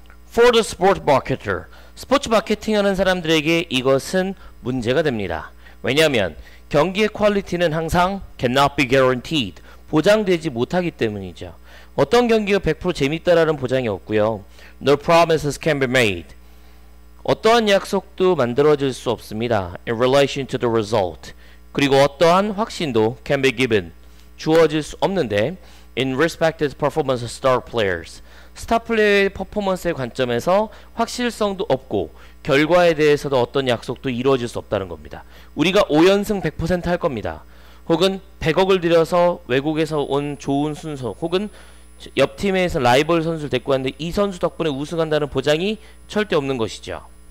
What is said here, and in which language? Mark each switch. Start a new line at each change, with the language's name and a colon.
English: For the sports marketer,
Korean: 스포츠 마케팅하는 사람들에게 이것은 문제가 됩니다. 왜냐하면 경기의 퀄리티는 항상
English: cannot be guaranteed,
Korean: 보장되지 못하기 때문이죠. 어떤 경기가 100% 재밌다라는 보장이 없고요.
English: No promises can be made.
Korean: 어떠한 약속도 만들어질 수 없습니다.
English: In relation to the result.
Korean: 그리고 어떠한 확신도
English: can be given,
Korean: 주어질 수 없는데
English: in respect to performance of star players.
Korean: 스타 플레이어의 퍼포먼스의 관점에서 확실성도 없고 결과에 대해서도 어떤 약속도 이루어질 수 없다는 겁니다. 우리가 5연승 100% 할 겁니다. 혹은 100억을 들여서 외국에서 온 좋은 순서 혹은 옆팀에서 라이벌 선수를 데리고 왔는데 이 선수 덕분에 우승한다는 보장이 절대 없는 것이죠.